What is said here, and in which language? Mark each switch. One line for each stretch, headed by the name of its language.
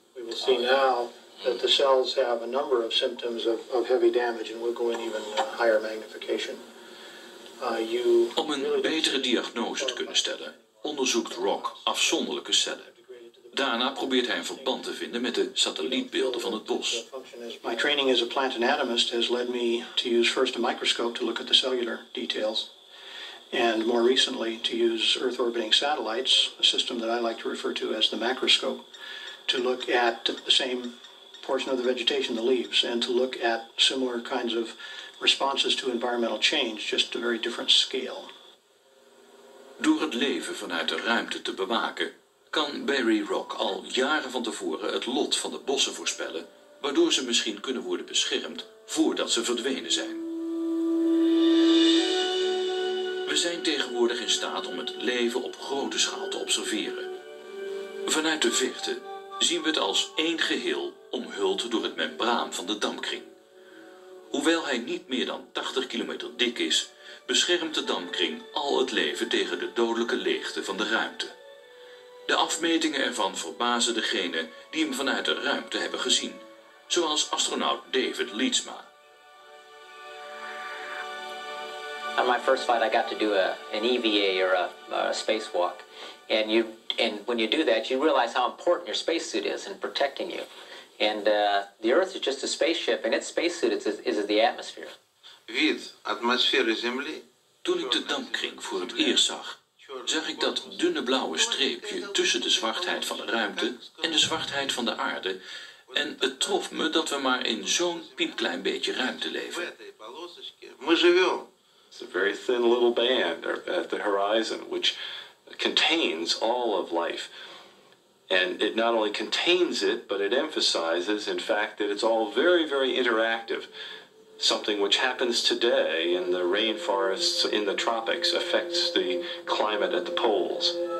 English: See now that the cells have a number of symptoms of heavy damage and we'll go in even higher magnification.
Dutch: Om een betere diagnose te kunnen stellen, onderzoekt Rock afzonderlijke cellen. Daarna probeert hij een verband te vinden met de satellietbeelden van het bos.
English: My training as a plant anatomist has led me to use first a microscope to look at the cellular details. And more recently to use Earth orbiting satellites, a system that I like to refer to as the macroscope. To look at the same portion of the vegetation, the leaves, and to look at similar kinds of responses to environmental change, just a very different scale.
Dutch: Door het leven vanuit de ruimte te bewaken, kan Barry Rock al jaren van tevoren het lot van de bossen voorspellen, waardoor ze misschien kunnen worden beschermd voordat ze verdwenen zijn. We zijn tegenwoordig in staat om het leven op grote schaal te observeren. Vanuit de verte zien we het als één geheel omhuld door het membraan van de dampkring. Hoewel hij niet meer dan 80 kilometer dik is, beschermt de dampkring al het leven tegen de dodelijke leegte van de ruimte. De afmetingen ervan verbazen degene die hem vanuit de ruimte hebben gezien, zoals astronaut David Leedsma.
English: On my first flight I got to do an EVA or a spacewalk. And you, and when you do that, you realize how important your spacesuit is in protecting you. And the Earth is just a spaceship, and its spacesuit is the atmosphere. Вид атмосферы Земли.
Dutch: Toen ik de dampkring voor het eerst zag, zag ik dat dunne blauwe streepje tussen de zwartheid van de ruimte en de zwartheid van de aarde. En het trof me dat we maar in zo'n piepklein beetje ruimte leven.
English: It's a very thin little band at the horizon, which contains all of life. And it not only contains it, but it emphasizes, in fact, that it's all very, very interactive. Something which happens today in the rainforests in the tropics affects the climate at the poles.